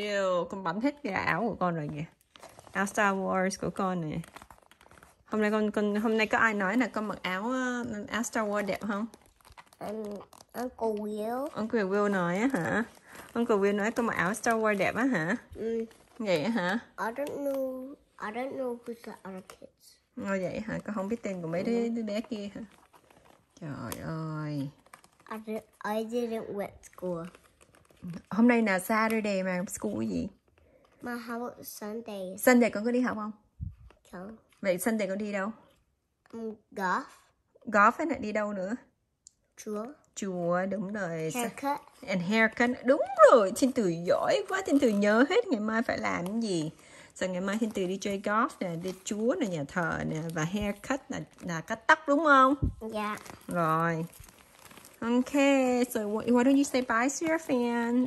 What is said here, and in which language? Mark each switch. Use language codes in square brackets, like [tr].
[vi] Ew, con bắn hết cái áo của con rồi kìa. Áo Star Wars của con này. Hôm nay có ai nói là con mặc áo Star Wars đẹp không? [en] Uncle [vi] Uncle Will nói á hả? Uncle Will nói con mặc áo Star Wars đẹp á hả? [en] Will. [vi] Vậy á hả? [en] I don't know I don't know who the other kids. [vi] Ồ vậy hả? Con không biết tên của mấy đứa bé kia hả? Trời ơi. [en] I didn't went to school. [vi] Hôm nay là Saturday mà school gì? [en] Mà how about Sunday? [vi] Sunday con có đi học không? Không. Vậy Sunday con đi đâu? [en] Golf. [vi] Golf hay là đi đâu nữa? Chùa. Chùa, đúng rồi. [en] Haircut. And haircut, [vi] đúng rồi. Thiên Tử giỏi quá, Thiên Tử nhớ hết ngày mai phải làm gì. Rồi ngày mai Thiên Tử đi chơi golf nè, đi chúa nè, nhà thờ nè, và haircut là cắt tóc đúng không? Dạ. Rồi. [en] Okay, so why don't you say bye to your fan?